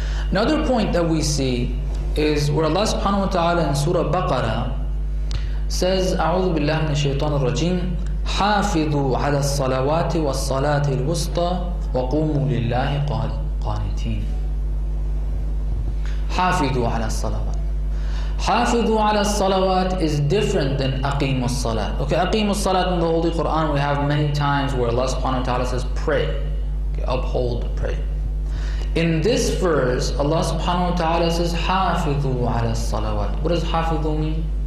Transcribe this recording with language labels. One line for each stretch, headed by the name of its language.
English: Another point that we see is where Allah subhanahu wa ta'ala in Surah Baqarah says,
Arabic: أَعُوذُ بِاللَّهِ مِنَ الشَّيْطَانِ الرَّجِيمِ حَافِظُوا عَلَى الصَّلَوَاتِ وَالصَّلَاةِ الْوُسْطَى وَقُومُوا لِلَّهِ قَانِتِينَ. حَافِظُوا عَلَى الصَّلَوَاتِ. حَافِظُوا عَلَى الصَّلَوَاتِ
English: is different than
Arabic: أَقِيمُ الصَّلَاةِ.
English: Okay,
Arabic: أَقِيمُ الصَّلَاةِ
English: in the Holy Quran, we have many times where Allah subhanahu wa ta'ala says, pray. Okay, uphold, pray. In this verse, Allah subhanahu wa ta'ala says,
Arabic: حَافِظُوا عَلَى الصَّلَوَاتِ.
English: What does حَافِظُوا mean?